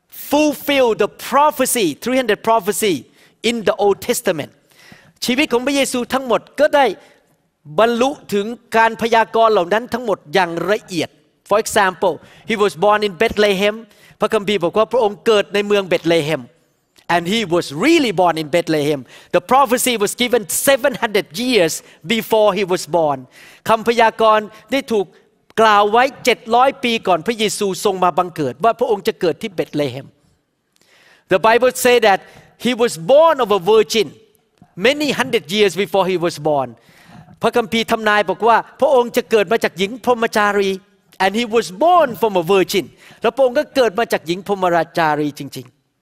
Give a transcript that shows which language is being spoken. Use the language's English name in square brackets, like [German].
[English] fulfilled the prophecy 300 prophecy in the Old Testament [Thai] ชีวิตของพระเยซูทั้งหมดก็ได้บรรลุถึงการพยากรณ์เหล่านั้นทั้งหมดอย่างละเอียด [English] For example, he was born in Bethlehem. [Thai] พระคัมภีร์บอกว่าพระองค์เกิดในเมืองเบธเลเฮม [English] And he was really born in Bethlehem. The prophecy was given 700 years before he was born. [Thai] คำพยากรณ์ได้ถูกกล่าวไว้700ปีก่อนพระเยซูทรงมาบังเกิดว่าพระองค์จะเกิดที่เบธเลเฮม [English] The Bible say that he was born of a virgin many hundred years before he was born [Thai] พระคัมภีร์ทำนายบอกว่าพระองค์จะเกิดมาจากหญิงพรหมจารี [English] and he was born from a virgin [Thai] แล้วพระองค์ก็เกิดมาจากหญิงพรหมจารีจริงๆ